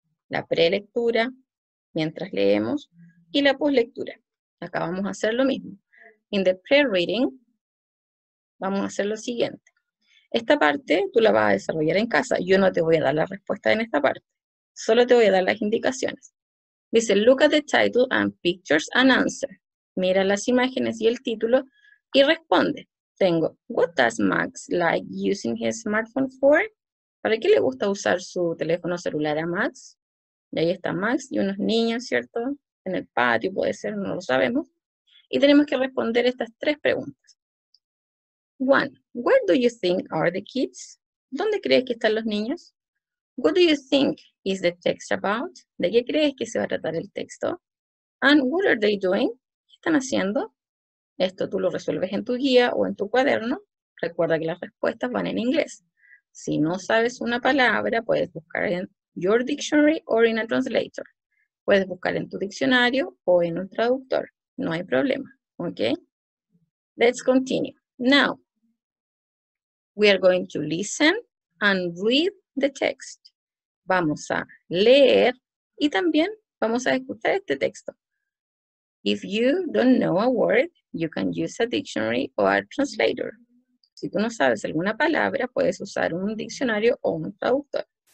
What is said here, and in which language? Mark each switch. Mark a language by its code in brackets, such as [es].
[es] La prelectura, mientras leemos, y la poslectura. Acá vamos a hacer lo mismo. [en] In the pre-reading, [es] vamos a hacer lo siguiente. Esta parte tú la vas a desarrollar en casa. Yo no te voy a dar la respuesta en esta parte. Solo te voy a dar las indicaciones. [en] Dice, look at the title and pictures and answer. [es] Mira las imágenes y el título y responde. [en] Tengo, what does Max like using his smartphone for? [es] ¿Para qué le gusta usar su teléfono celular a Max? Y ahí está Max y unos niños, ¿cierto? En el patio puede ser, no lo sabemos. Y tenemos que responder estas tres preguntas. [en] One, where do you think are the kids? [es] ¿Dónde crees que están los niños? [en] What do you think is the text about? [es] ¿De qué crees que se va a tratar el texto? [en] And what are they doing? [es] ¿Qué están haciendo? Esto tú lo resuelves en tu guía o en tu cuaderno. Recuerda que las respuestas van en inglés. Si no sabes una palabra, puedes buscar en [en] your dictionary [es] o [en] in a translator. [es] Puedes buscar en tu diccionario o en un traductor. No hay problema. ¿Ok? [en] Let's continue. Now, we are going to listen and read the text. [es] Vamos a leer y también vamos a escuchar este texto. [en] If you don't know a word, you can use a dictionary or a translator. [es] Si tú no sabes alguna palabra, puedes usar un diccionario o un traductor.